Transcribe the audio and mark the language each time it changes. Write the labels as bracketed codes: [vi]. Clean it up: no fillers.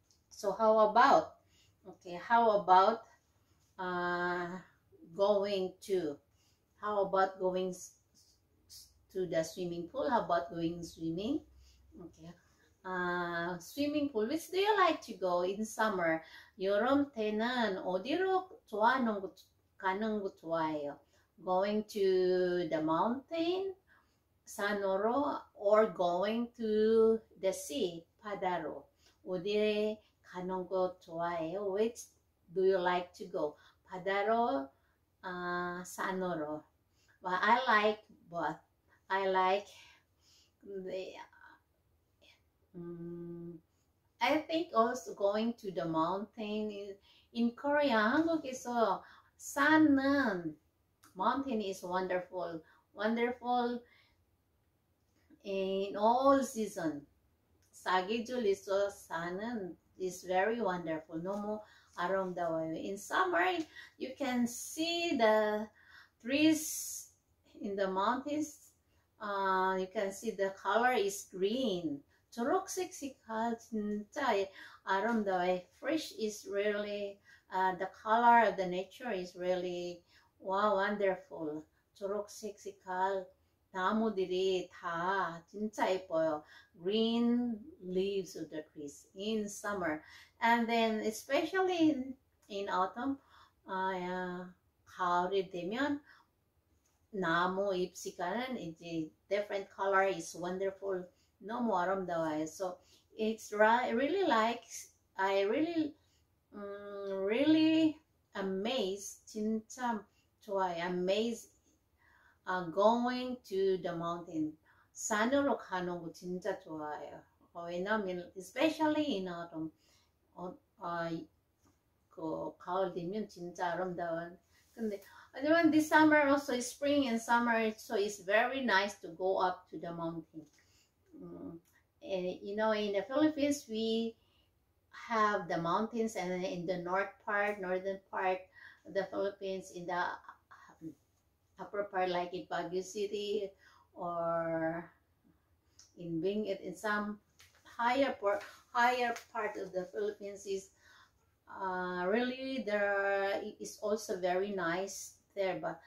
[en] So how about? Okay, how about how about going to the swimming pool? How about going swimming? Okay. Swimming pool, which do you like to go in summer? [ko] 여름 때는 어디로 가는 거 좋아해요? [en] Going to the mountain, [ko] 산으로, [en] or going to the sea, [ko] 바다로. 어디에 가는 거 좋아해요? [en] Which do you like to go? [ko] 바다로, 산으로. [en] But I like both. I like the. I think also going to the mountain in Korea. [ko] 한국에서 산은 [en] mountain is wonderful, wonderful in all season. [ko] 사계절 있어 산은 [en] is very wonderful. [ko] 너무 아름다워요. [en] In summer, you can see the trees in the mountains. You can see the color is green. [ko] 초록색 진짜 아름다워요. [en] Fresh is really, the color of the nature is really wow, wonderful. [ko] 초록색 나무들이 다 진짜 예뻐요. [en] Green leaves of the trees in summer. And then especially in autumn, [ko] 가을이 되면 나무 잎시가는 이제 [en] different color is wonderful. [ko] 너무 아름다워요. [en] So it's really like I really really amazed. [ko] 진짜 좋아요. [en] Amazed going to the mountain. [ko] 산으로 가는 거 진짜 좋아요. 왜냐면 [en] especially in autumn. [ko] 그 가을 되면 진짜 아름다운. 근데 하지만 [en] this summer also spring and summer, so it's very nice to go up to the mountain. And you know, in the Philippines we have the mountains, and in the northern part of the Philippines, in the upper part like in Baguio City or in Benguet, in some higher part of the Philippines is really there is also very nice there.